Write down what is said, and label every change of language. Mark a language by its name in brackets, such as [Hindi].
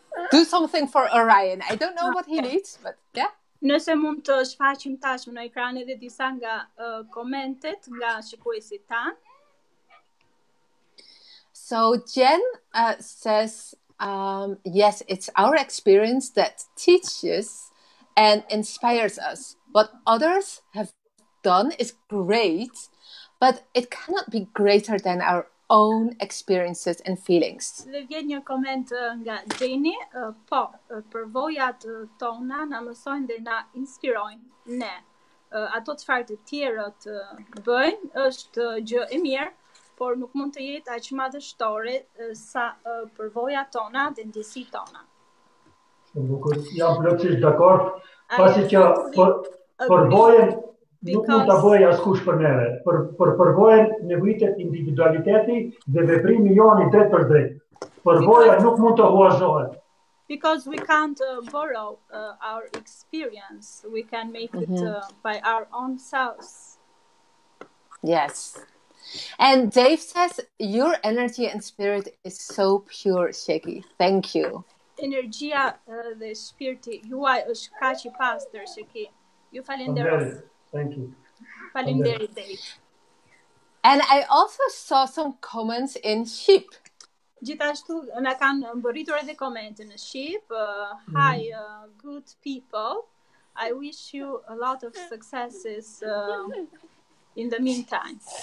[English] do something for Orion. I don't know what he needs, but yeah. [Albanian] Nëse mund të shfaqim tash në ekran edhe disa nga komentet nga shikuesit tan. [English] So Jen says, yes, it's our experience that teaches and inspires us. What others have done is great, but it cannot be greater than our own experiences and feelings. [Albanian] Dhe vjen një koment nga Jenny, po, përvojat tona na mësojnë dhe na inspirojnë. Ne, ato çfarë të tjerët bëjnë është gjë e mirë, por nuk mund të jetë aq madhështore sa përvojat tona dhe ndjesitë tona. Jam plotësisht dakord, pasi që përvojën [English] Because... [Albanian] Nuk mund të bëjë askush për neve, për përvojën nevojitet individualiteti dhe veprimi joni drejt për drejt. Përvoja [English] Because... [Albanian] nuk mund të huazhohet. [English] Because we can't borrow our experience, we can make it by our own selves. Yes. And Dave says, your energy and spirit is so pure, Sheki. Thank you. [Albanian] Energia dhe shpirti, juaj është kaq I pastër, Sheki. Ju falenderoj. [English] Thank you. And I also saw some comments in sheep. [Albanian] Gjithashtu na kanë mbërritur edhe komente në sheep. [English] Hi, good people. I wish you a lot of successes in the meantime.